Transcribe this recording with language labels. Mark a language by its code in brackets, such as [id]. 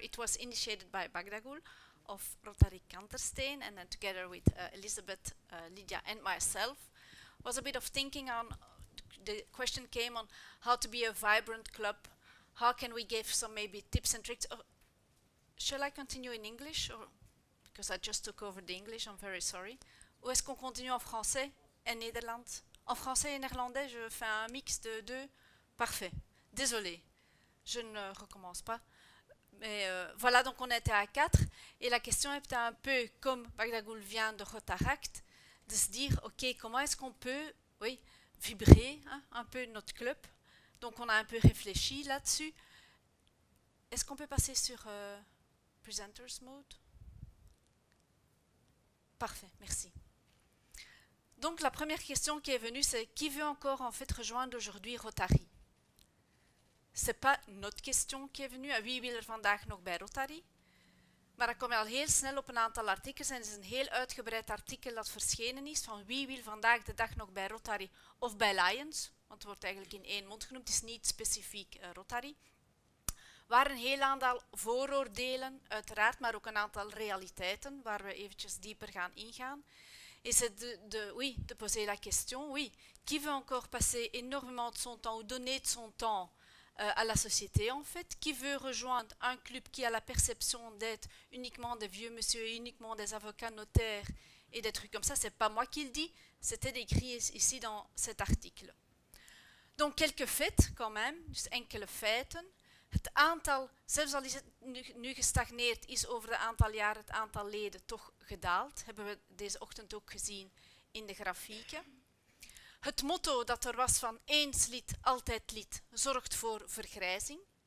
[en] It was initiated by Bagdagul of Rotary Kantersteen, and then together with Elizabeth, Lydia, and myself, was a bit of thinking on, the question came on how to be a vibrant club. How can we give some maybe tips and tricks? Oh, shall I continue in English? Or because I just took over the English, I'm very sorry. [fr] Ou est-ce qu'on continue en français et néerlandais? En français et néerlandais, je fais un mix de deux. Parfait. Désolée, je ne recommence pas. Mais voilà, donc on était à quatre. Et la question est un peu comme Bagdagul vient de Rotaract, de se dire, OK, comment est-ce qu'on peut oui, vibrer hein, un peu notre club? Donc on a un peu réfléchi là-dessus. Est-ce qu'on peut passer sur Presenter's Mode? Parfait, merci. Donc la première question qui est venue, c'est qui veut encore en fait rejoindre aujourd'hui Rotary? C'est pas notre question qui est venue, [nl] wie wil er vandaag nog bij Rotary? Maar dan kom je al heel snel op een aantal artikels en het is een heel uitgebreid artikel dat verschenen is van wie wil vandaag de dag nog bij Rotary of bij Lions, want het wordt eigenlijk in één mond genoemd, het is niet specifiek Rotary. Waar een heel aantal vooroordelen uiteraard, maar ook een aantal realiteiten waar we eventjes dieper gaan ingaan. [fr] Et c'est de poser la question, oui, qui veut encore passer énormément de son temps ou donner de son temps à la société en fait? Qui veut rejoindre un club qui a la perception d'être uniquement des vieux monsieur, uniquement des avocats notaires et des trucs comme ça? Ce n'est pas moi qui le dis, c'était écrit ici dans cet article. Donc quelques faits quand même, [nl] dus enkele feiten. Het aantal, zelfs al is het nu gestagneerd, is over een aantal jaar het aantal leden toch gedaald. Hebben we deze ochtend ook gezien in de grafieken. Het motto dat er was van eens lid, altijd lid, zorgt voor vergrijzing.